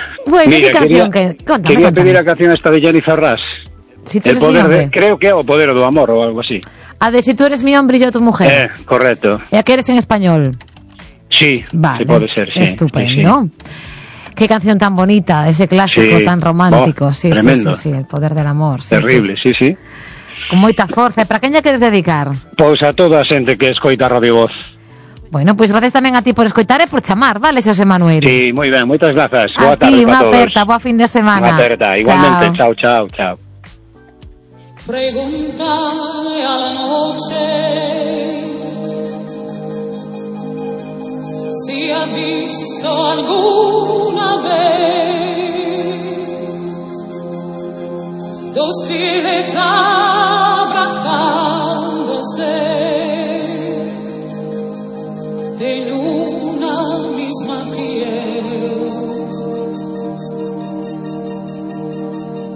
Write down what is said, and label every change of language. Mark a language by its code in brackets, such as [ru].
[es] Bueno, mira, que canción quería, que... Contame, quería contame. [gl] Pedir a canción esta de Jennifer Rush. [es] Si el poder de, [gl] creo que é o poder do amor ou algo así. A de [es] si tú eres mi hombre e yo tu mujer. Correcto. [gl] E a que eres en español. [es] Sí, vale. [gl] Sí, pode ser, sí. [es] Estupendo. Sí, sí. Qué canción tan bonita, ese clásico, sí. Tan romántico. Oh, sí, tremendo. Sí, sí, sí, el poder del amor. Sí, terrible, sí, sí. [gl] Sí, sí. Con moita forza. ¿Para quen ya queres dedicar? Pois a toda a xente que escoita Radio Voz. Bueno, pois gracias tamén a ti por escoitar e por chamar, vale, José Manuel? Sí, moi ben, moitas grazas. A ti, unha aperta, boa fin de semana. Unha aperta, igualmente. Chao, chao, chao. [es] Pregúntale a la noche si ha visto alguna vez dos pieles abrazándose en una misma piel.